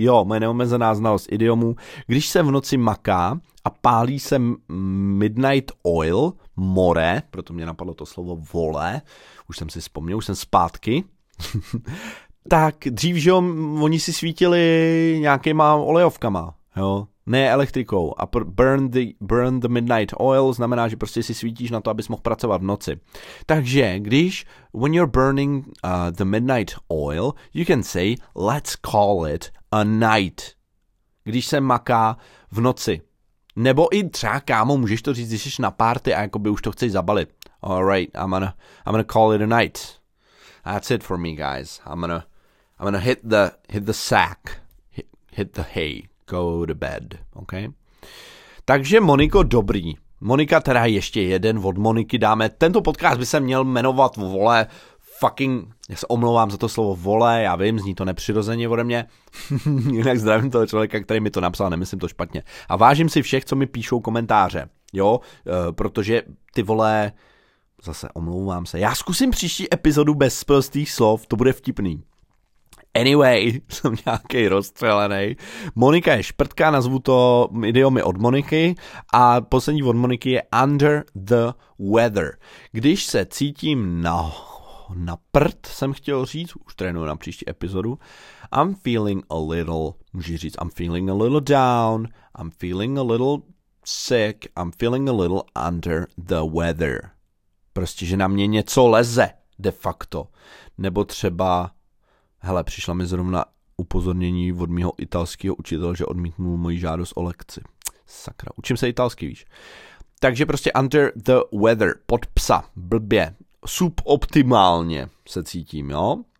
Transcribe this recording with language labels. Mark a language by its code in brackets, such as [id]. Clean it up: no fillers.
[cs] Jo, moje neomezená znalost idiomů, když se v noci maká a pálí se midnight oil, more, proto mě napadlo to slovo vole, už jsem si vzpomněl, už jsem zpátky, tak dřív, že jo, oni si svítili nějakýma olejovkama, jo. Ne elektrikou. A [en] burn the midnight oil [cs] znamená, že prostě si svítíš na to, abys mohl pracovat v noci. Takže, když, [en] when you're burning the midnight oil, you can say, let's call it a night. [cs] Když se maká v noci. Nebo i třeba, kámo, můžeš to říct, když jsi na party a jakoby už to chceš zabalit. [en] Alright, I'm gonna call it a night. That's it for me, guys. I'm gonna hit the sack. Hit the hay. Go to bed, ok? [cs] Takže Moniko, dobrý. Monika, teda ještě jeden od Moniky dáme. Tento podcast by se měl jmenovat vole, fucking, já se omlouvám za to slovo vole, já vím, zní to nepřirozeně ode mě. Jinak zdravím toho člověka, který mi to napsal, nemyslím to špatně. A vážím si všech, co mi píšou komentáře, jo? Protože ty vole, zase omlouvám se. Já zkusím příští epizodu bez prostých slov, to bude vtipný. Anyway, jsem nějaký rozstřelený. Monika je šprtka, nazvu to idiomy od Moniky. A poslední od Moniky je [en] under the weather. [cs] Když se cítím na prd, jsem chtěl říct, už trénuji na příští epizodu. [en] I'm feeling a little, [cs] můžu říct, [en] I'm feeling a little down, I'm feeling a little sick, I'm feeling a little under the weather. [cs] Prostě, že na mě něco leze, de facto. Nebo třeba, hele, přišla mi zrovna upozornění od mýho italského učitele, že odmítnul moji žádost o lekci. Sakra, učím se italsky, víš. Takže prostě [en] under the weather, [cs] pod psa, blbě, suboptimálně se cítím, jo?